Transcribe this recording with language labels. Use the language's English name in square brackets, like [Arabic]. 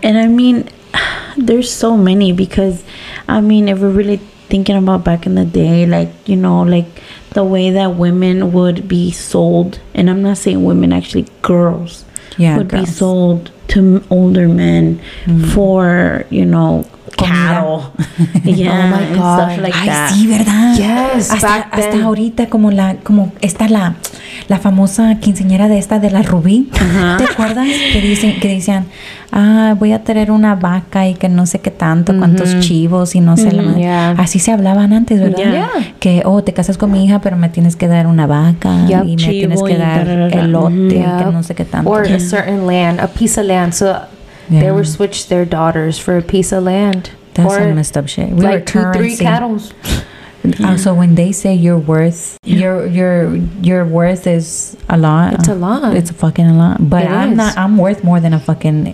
[English] And I mean, there's so many because, I mean, if we're really thinking about back in the day, like, you know, like, the way that women would be sold, and I'm not saying women, actually girls, would be sold to older men for, you know, cattle. Yeah, oh my God. And stuff like that. [Spanish] Ay, sí, ¿verdad? [English] Yes, [Spanish] hasta ahorita, como está la famosa quinceañera de esta, de la Rubí. Uh-huh. ¿Te acuerdas? Que decían, voy a tener una vaca y que no sé qué tanto, cuántos chivos y no sé la madre. [English] Yeah. [Spanish] Así se hablaban antes, ¿verdad? [English] Yeah. [Spanish] Que, te casas con mi hija, pero me tienes que dar una vaca y me tienes que dar elote, que no sé qué tanto. [English] Or a certain land, a piece of land. So they were switched their daughters for a piece of land. That's or some messed up shit. We like two, three cattle. So when they say you're worth your worth is a lot. It's a lot. It's a fucking a lot. But it I'm is. Not I'm worth more than a fucking